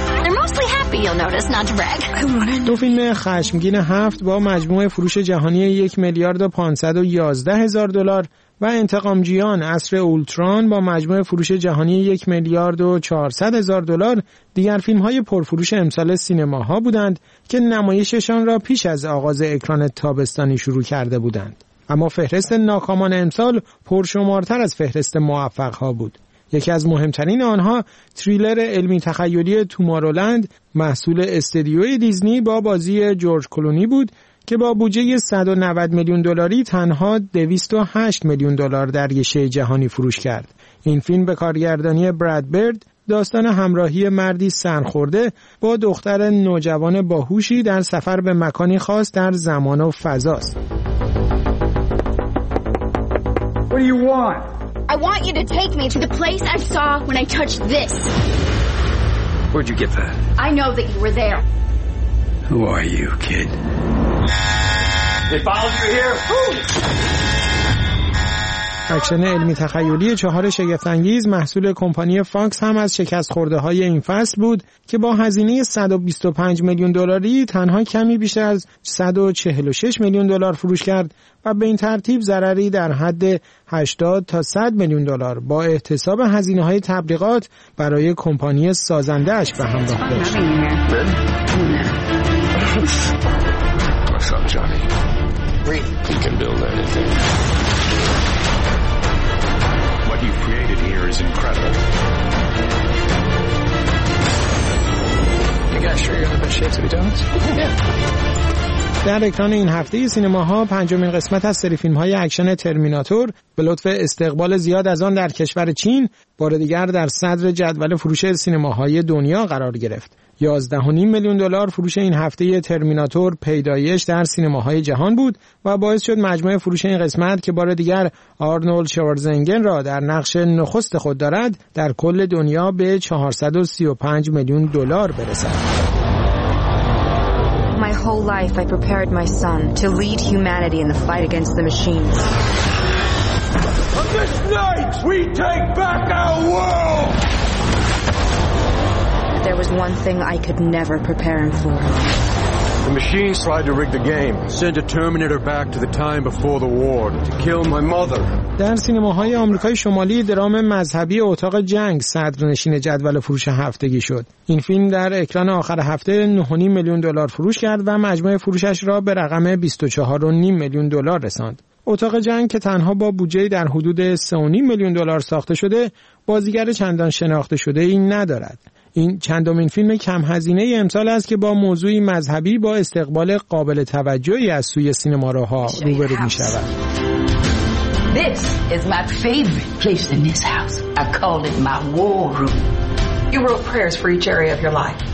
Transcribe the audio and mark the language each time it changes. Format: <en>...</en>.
<en>They're mostly happy, you'll notice, not to brag.</en> <fa>دو فیلم خشمگین هفت با مجموع فروش جهانی 1,511,000 دلار و انتقامجویان عصر اولتران با مجموع فروش جهانی 1,400,000 دلار دیگر فیلم‌های پرفروش امسال سینماها بودند که نمایششان را پیش از آغاز اکران تابستانی شروع کرده بودند. اما فهرست ناکامان امسال پرشمارتر از فهرست موفق‌ها بود. یکی از مهمترین آنها تریلر علمی تخیلی تومارولند محصول استدیوی دیزنی با بازی جورج کلونی بود که با بودجه 190 میلیون دلاری تنها 208 میلیون دلار در شی جهانی فروش کرد. این فیلم به کارگردانی براد برد داستان همراهی مردی سرخورده با دختر نوجوان باهوشی در سفر به مکانی خاص در زمان و فضاست.</fa> <en>What do you want? I want you to take me to the place I saw when I touched this. Where'd you get that? I know that you were there. Who are you, kid?</en> <fa>اکشن علمی تخیلی چهار شگفت‌انگیز محصول کمپانی فاکس هم از شکست خورده های این فصل بود که با هزینه 125 میلیون دلاری تنها کمی بیشتر از 146 میلیون دلار فروش کرد و به این ترتیب ضرری در حد 80 تا 100 میلیون دلار با احتساب هزینه های تبلیغات برای کمپانی سازنده اش به همراه داشت.</fa> <en>Son Johnny. Really? He can build anything. What you've created here is incredible. You guys sure you're gonna put shapes of the donuts? Yeah.</en> <fa>در اکران این هفته سینماها پنجمین قسمت از سری فیلم های اکشن ترمیناتور به لطف استقبال زیاد از آن در کشور چین بار دیگر در صدر جدول فروش سینماهای دنیا قرار گرفت. 11.5 میلیون دلار فروش این هفته ترمیناتور پیدایش در سینماهای جهان بود و باعث شد مجموع فروش این قسمت که بار دیگر آرنولد شوارزنگر را در نقش نخست خود دارد در کل دنیا به 435 میلیون دلار برسد.</fa> <en>My whole life I prepared my son to lead humanity in the fight against the machines. On this night we take back our world. There was one thing I could never prepare him for. The machines tried to rig the game, send a Terminator back to the time before the war to kill my mother.</en> <fa>در سینماهای آمریکای شمالی درام مذهبی اتاق جنگ صدرنشین جدول فروش هفتگی شد. این فیلم در اکران آخر هفته 9.5 میلیون دلار فروش کرد و مجموع فروشش را به رقم 24.5 میلیون دلار رساند. اتاق جنگ که تنها با بودجه در حدود 3.5 میلیون دلار ساخته شده، بازیگر چندان شناخته شده این ندارد. این چندمین فیلم کم هزینه ای امسال است که با موضوعی مذهبی با استقبال قابل توجهی از سوی سینماروها روبرو می شود.</fa> <en>This is my favorite place in this house. I call it my war room. You wrote prayers for each area of your life.</en>